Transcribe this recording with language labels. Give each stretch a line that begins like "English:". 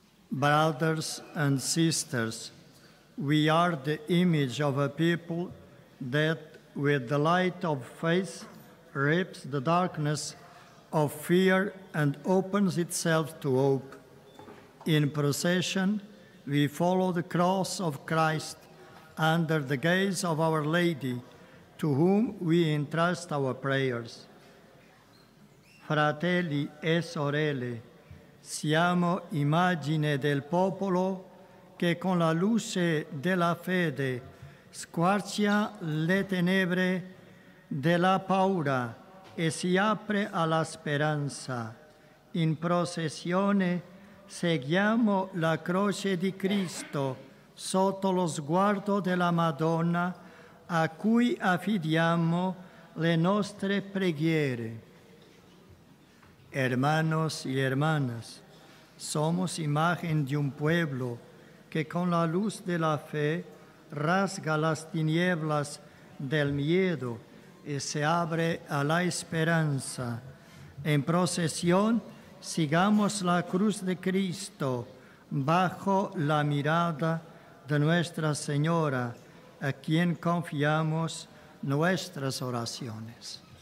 English: Brothers and sisters, we are the image of a people that with the light of faith rips the darkness of fear and opens itself to hope. In procession, we follow the cross of Christ under the gaze of Our Lady, to whom we entrust our prayers.
Italian: Fratelli e sorelle, siamo immagine del popolo che con la luce della fede squarcia le tenebre della paura e si apre alla speranza. In processione seguiamo la croce di Cristo sotto lo sguardo della Madonna a cui affidiamo le nostre preghiere.
Spanish: Hermanos y hermanas, somos imagen de un pueblo que con la luz de la fe rasga las tinieblas del miedo y se abre a la esperanza. En procesión sigamos la cruz de Cristo bajo la mirada de Nuestra Señora, a quien confiamos nuestras oraciones.